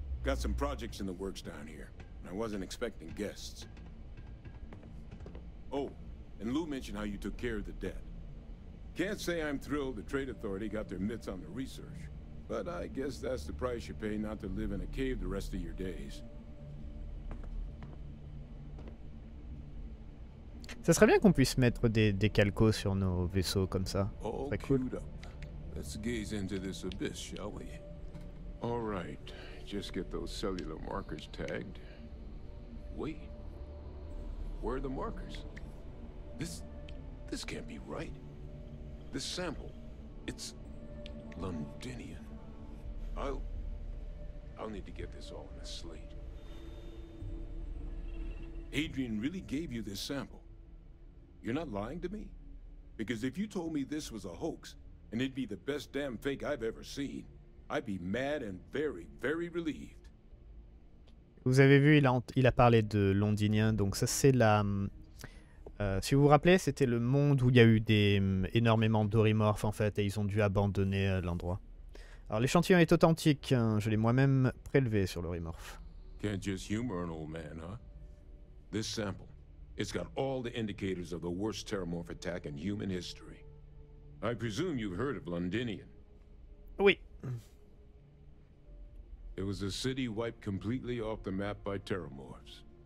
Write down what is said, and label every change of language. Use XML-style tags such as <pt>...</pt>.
<en>Got some projects in the works down here. I wasn't expecting guests. Oh, and Lou mentioned how you took care of the dead. Can't say I'm thrilled the Trade Authority got their mitts on the research. But I guess that's the price you pay not to live in a cave the rest of your days.</en> <fr>Ça serait bien qu'on puisse mettre des calcos sur nos vaisseaux comme ça. C'est cool.</fr> <en>Let's gaze into this abyss, shall we? All right. Just get those cellular markers tagged. Wait. Where are the markers? This can't be right. This sample. It's Londinium. I'll need to get this all in a slate. Adrian really gave you this sample. You're not lying to me? Because if you told me this was a hoax, and it'd be the best damn fake I've ever seen, I'd be mad and very, very relieved.</en> <fr>Vous avez vu, il a parlé de Londinien, donc ça c'est la... si vous vous rappelez, c'était le monde où il y a eu énormément d'orimorphes en fait, et ils ont dû abandonner l'endroit. Alors l'échantillon est authentique, je l'ai moi-même prélevé sur le Rimorph.</fr> <en>Can't just humor an old man, huh? This sample, it's got all the indicators of the worst pteromorph attack in human history. I presume you've heard of Londinium. Oui. It was a city wiped completely off the map by pteromorphs.</en>